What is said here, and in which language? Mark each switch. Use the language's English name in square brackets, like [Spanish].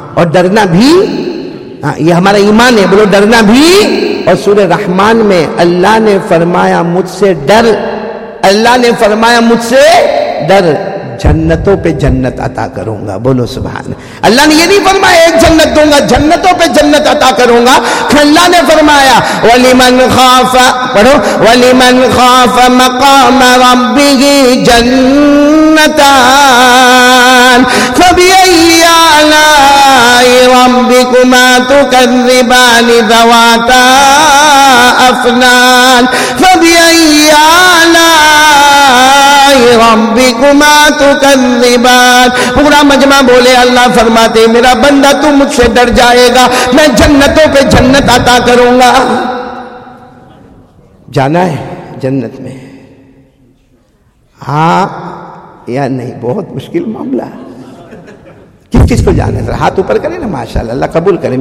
[Urdu] اور ڈرنا بھی, یہ ہمارا ایمان ہے, بولو ڈرنا بھی. اور سورہ رحمان میں اللہ نے فرمایا مجھ سے ڈر, اللہ نے فرمایا مجھ سے ڈر, جنتوں پہ جنت عطا کروں گا. بولو سبحان. اللہ نے یہ نہیں فرمایا ایک جنت دوں گا, جنتوں پہ جنت عطا کروں گا. اللہ نے فرمایا [Arabic] ولمن خاف, [Urdu] پڑھو, [Arabic] ولمن خاف مقام ربه جنتان فبأي آلاء ربكما تكذبان ذواتا أفنان فبأي آلاء ربكما تكذبان. [Urdu] پورا مجمع بولے, اللہ فرماتے میرا بندہ تو مجھ سے ڈر جائے گا, میں جنتوں پہ جنت عطا کروں گا. جانا ہے جنت میں, ہاں یا نہیں؟ بہت مشکل معاملہ, کس کس کو جانا ہے؟ ہاتھ اوپر کرے نا, ماشاء اللہ, اللہ قبول کرے.